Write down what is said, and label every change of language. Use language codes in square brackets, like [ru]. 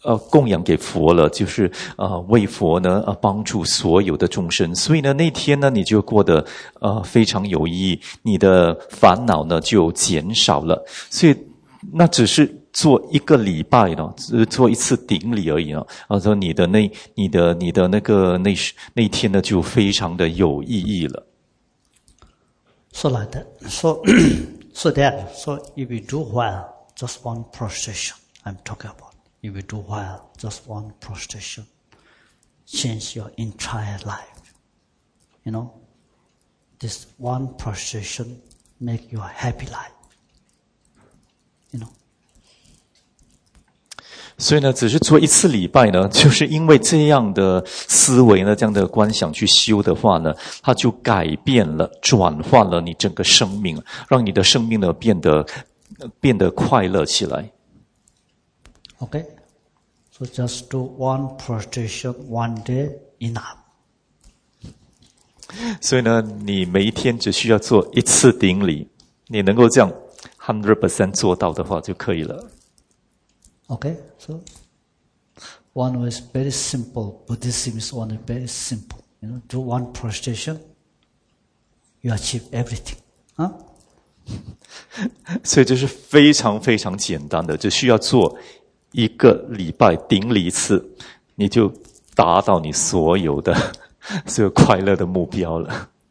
[zh] 供养给佛了，就是为佛呢帮助所有的众生，所以呢那天呢你就过得非常有意义，你的烦恼呢就减少了，所以那只是。做一个礼拜呢，做一次顶礼而已呢，然后你的那天呢就非常的有意义了。 [en] So like that, so if you do well, just one prostration I'm talking about. If you do well, just one prostration, change your entire life. You know, this one prostration make your happy life. You know. [zh] 所以呢，只是做一次礼拜呢，就是因为这样的思维呢，这样的观想去修的话呢，它就改变了，转换了你整个生命，让你的生命呢变得快乐起来。 [en] Okay, so just do one prostration one day enough. [zh] 所以呢，你每一天只需要做一次顶礼，你能够这样 100% 做到的话就可以了。 [en] Okay, so one was very simple. Buddhism is one very simple. You know, do one prostration, you achieve everything. Huh? [zh] 所以这是非常非常简单的，只需要做一个礼拜顶礼一次，你就达到你所有的所有快乐的目标了。